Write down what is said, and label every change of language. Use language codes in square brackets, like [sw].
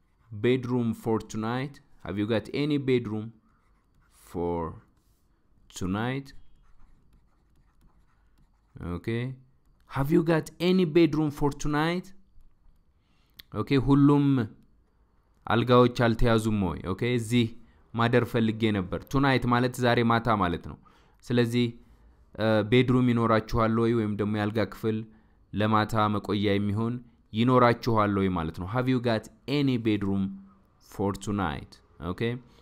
[en] Have you got any bedroom for tonight? Have you got any bedroom for tonight? Okay. Have you got any bedroom for tonight? [am] Okay, ሁሉም አልጋዎች አልተያዙም ወይ? Okay, እዚህ ማደር ፈልጌ ነበር. Tonight ማለት ዛሬ ማታ ማለት ነው. ስለዚህ bedroom ይኖራችኋል ወይ ወይም ደግሞ ያልጋ ክፍል ለማታ መቆያ የሚሆን ይኖራችኋል ወይ ማለት ነው. [en] Have you got any bedroom for tonight? Okay?